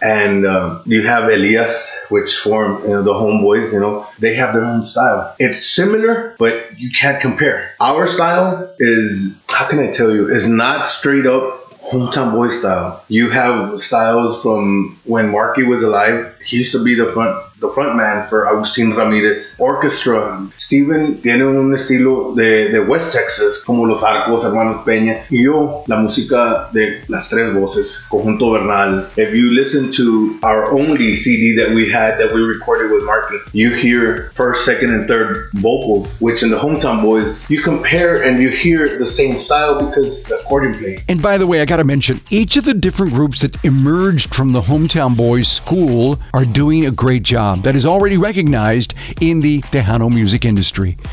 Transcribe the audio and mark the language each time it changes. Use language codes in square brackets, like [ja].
[en] And you have Elias, which form, you know, the homeboys, you know, they have their own style. It's similar, but you can't compare. Our style is, how can I tell you, is not straight up Hometown Boy style. You have styles from when Marky was alive. He used to be the front man for Agustin Ramirez Orchestra. [es] Steven tiene un estilo de West Texas, como Los Arcos, Hermanos Peña. Y yo, la música de Las Tres Voces, Conjunto Bernal. [en] If you listen to our only CD that we had that we recorded with Marky, you hear first, second, and third vocals, which in the Hometown Boys, you compare and you hear the same style because the accordion play. And by the way, I gotta mention, each of the different groups that emerged from the Hometown Boys school are doing a great job that is already recognized in the Tejano music industry.